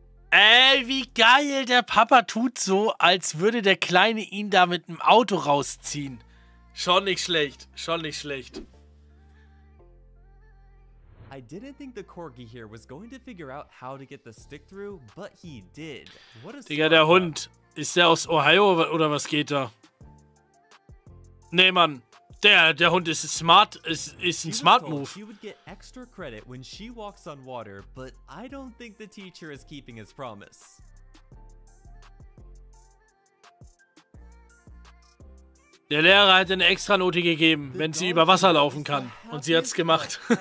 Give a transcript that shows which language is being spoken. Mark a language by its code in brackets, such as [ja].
[de] Ey, wie geil. Der Papa tut so, als würde der Kleine ihn da mit dem Auto rausziehen. Schon nicht schlecht. Schon nicht schlecht. [en] I didn't think the corgi here was going to figure out how to get the stick through, but he did. What a [de] Digga, der Hund. Ist der aus Ohio oder was geht da? Nee, Mann. Der Hund ist smart. Ist ein smart move. [en] She would get extra credit when she walks on water, but I don't think the teacher is keeping his promise. [de] Der Lehrer hat eine extra Note gegeben, wenn sie über Wasser laufen kann. Und sie hat's gemacht.